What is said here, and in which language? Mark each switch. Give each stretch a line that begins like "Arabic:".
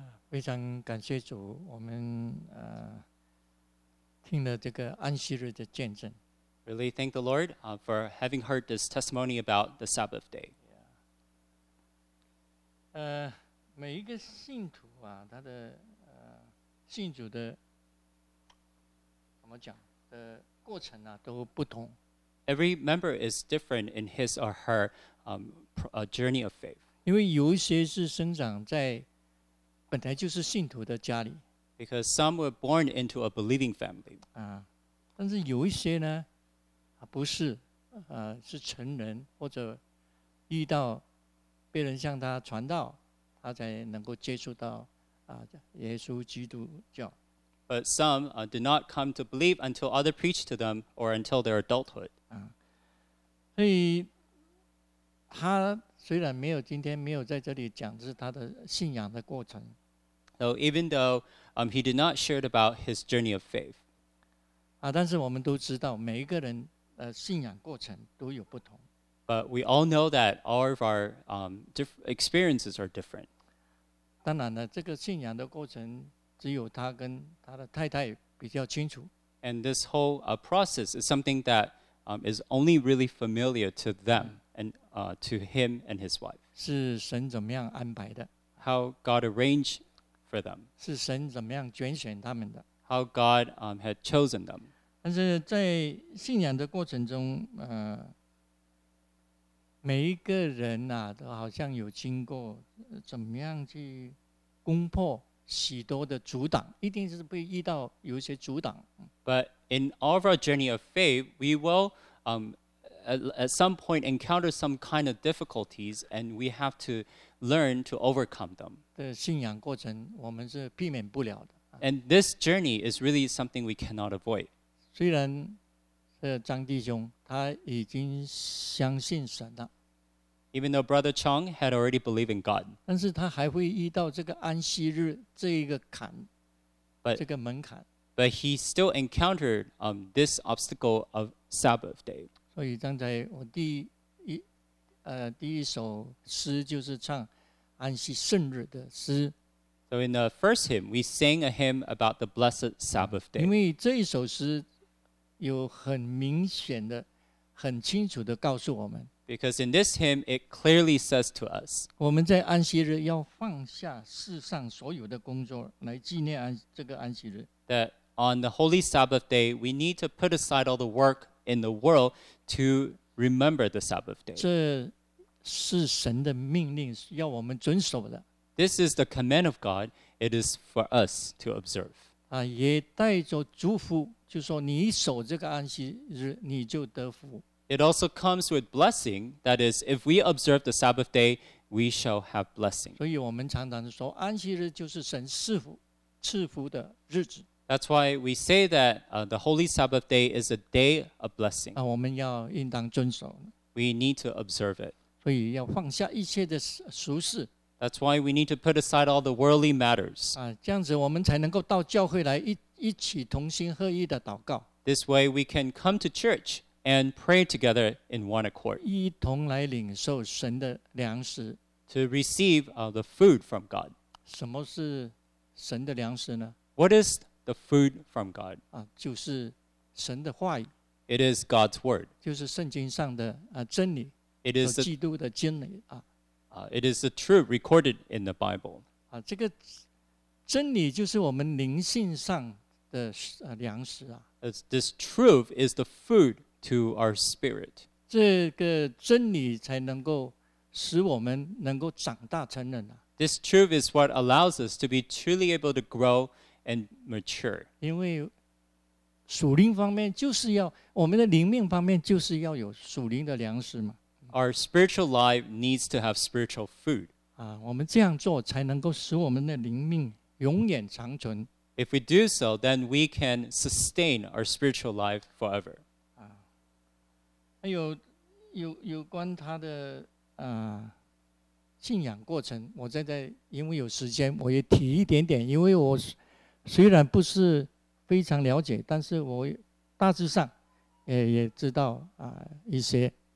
Chinese: 非常感谢主，我们听了这个安息日的见证。
English: Really thank the Lord for having heard this testimony about the Sabbath day. Yeah.
Chinese: 每一个信徒啊，他的信主的怎么讲的过程啊，都不同。
English: Every member is different in his or her journey of faith.
Chinese: 因为有一些是生长在本来就是信徒的家里。
English: Because some were born into a believing family.
Chinese: 但是有一些呢，不是，是成人或者遇到被人向他传道，他才能够接触到耶稣基督教。
English: But some did not come to believe until other preached to them or until their adulthood.
Chinese: 所以他虽然没有今天没有在这里讲，是他的信仰的过程。
English: So even though he did not share about his journey of faith.
Chinese: 但是我们都知道每一个人信仰过程都有不同。
English: But we all know that all of our experiences are different.
Chinese: 当然了，这个信仰的过程只有他跟他的太太比较清楚。
English: And this whole process is something that is only really familiar to them and to him and his wife.
Chinese: 是神怎么样安排的。
English: How God arrangedFor them.
Chinese: 是神怎么样拣选他们的
English: ？How God had chosen them.
Chinese: 但是在信仰的过程中，每一个人呐、都好像有经过怎么样去攻破许多的阻挡，一定是会遇到有一些阻挡。
English: But in all of our journey of faith, we will at some point encounter some kind of difficulties, and we have to learn to overcome them.
Chinese: 信仰过程我们是避免不了的。
English: And this journey is really something we cannot avoid.
Chinese: 虽然张弟兄他已经相信神了。
English: Even though Brother Chong had already believed in God.
Chinese: 但是他还会遇到这个安息日这一个坎
English: but,
Chinese: 这个门槛。
English: But he still encountered this obstacle of Sabbath day.
Chinese: 所以刚才我第一首诗就是唱安息圣日的诗。
English: So in the first hymn, we sang a hymn about the blessed Sabbath day.
Chinese: 因为这一首诗有很明显的、很清楚的告诉我们。
English: Because in this hymn, it clearly says to us,
Chinese: 我们在安息日要放下世上所有的工作来纪念这个安息日。
English: That on the holy Sabbath day, we need to put aside all the work in the world to remember the Sabbath day.
Chinese: 这是神的命令，要我们遵守的。
English: This is the command of God. It is for us to observe.
Chinese: 啊，也带着祝福，就说你守这个安息日，你就得福。
English: It also comes with blessing. That is, if we observe the Sabbath day, we shall have blessing.
Chinese: 所以我们常常说，安息日就是神赐福、赐福的日子。
English: That's why we say that the Holy Sabbath day is a day of blessing.
Chinese: 啊，我们要应当遵守。
English: We need to observe it.
Chinese: 所以要放下一切的俗事。
English: That's why we need to put aside all the worldly matters.
Chinese: 啊，这样子我们才能够到教会来一起同心合意的祷告。
English: This way we can come to church and pray together in one accord.
Chinese: 一同来领受神的粮食。
English: To receive the food from God.
Chinese: 什么是神的粮食呢？
English: What is the food from God?
Chinese: 啊，就是神的话语。
English: It is God's word.
Chinese: 就是圣经上的真理。
English: It is the
Chinese: 基督的真理啊。
English: It is the truth recorded in the Bible.
Chinese: 啊，这个真理就是我们灵性上的粮食啊。
English: This truth is the food to our spirit.
Chinese: 这个真理才能够使我们能够长大成人啊。
English: This truth is what allows us to be truly able to grow and mature.
Chinese: 因为属灵方面就是要我们的灵命方面就是要有属灵的粮食嘛。
English: Our spiritual life needs to have spiritual food.
Chinese: 啊，我们这样做才能够使我们的灵命永远长存。
English: If we do so, then we can sustain our spiritual life forever. 啊，
Chinese: 还有关他的信仰过程，我在因为有时间，我也提一点点，因为我虽然不是非常了解，但是我大致上也知道一些。